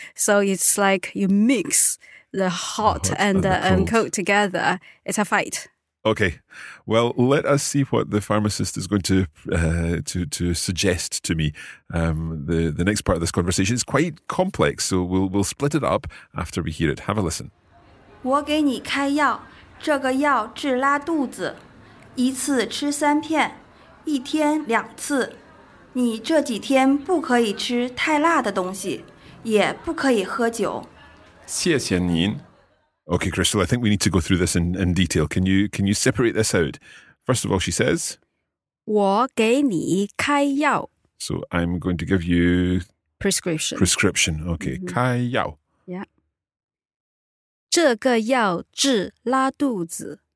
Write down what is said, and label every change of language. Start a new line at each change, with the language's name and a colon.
English: So it's like you mix the hot and the cold together. It's a fight. Okay. Well, let us see what the pharmacist is going to suggest to me. The next part of this conversation is quite complex, so we'll split it up after we hear it. Have a listen.
Chinese: 我给你开药，这个药治拉肚子，一次吃三片，一天两次。你这几天不可以吃太辣的东西，也不可以喝酒。谢谢您。
English: Okay, Crystal, I think we need to go through this in detail. Can you separate this out? First of all, she says,
Chinese: 我给你开药.
English: So I'm going to give you... Prescription. Prescription, okay. Mm-hmm.
Chinese: 开药. Yeah. 这个药治拉肚子.